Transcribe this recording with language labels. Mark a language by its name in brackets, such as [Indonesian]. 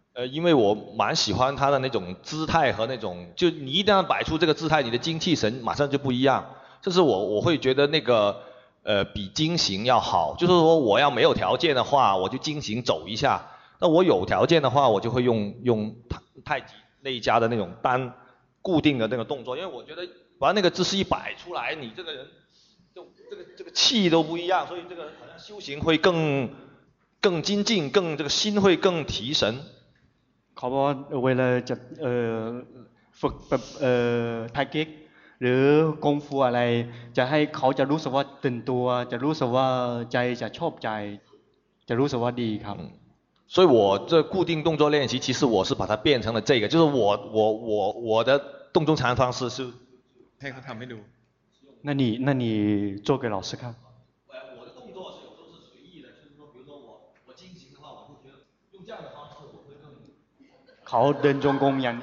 [Chinese] 因为我蛮喜欢他的那种姿态和那种就你一旦摆出这个姿态你的精气神马上就不一样这是我会觉得那个比精行要好就是说我要没有条件的话我就精行走一下那我有条件的话我就会用太极那一家的那种单固定的那个动作因为我觉得把那个姿势一摆出来你这个人就这个气都不一样所以这个好像修行会更精进更这个心会更提神 [Thai] เขาบอกเวลาจะฝึกแบบไทเก็กหรือกงฟูอะไรจะให้เขาจะรู้สึกว่าตื่นตัวจะรู้สึกว่าใจจะชอบใจจะรู้สึกว่าดีครับ [Chinese] 所以我这固定动作练习其实我是把它变成了这个就是我的动中禅方式是 [Thai] ให้เขาทำให้ดู [Chinese] 那你做给老师看 [Thai] เขาเดินจงกรมอย่างน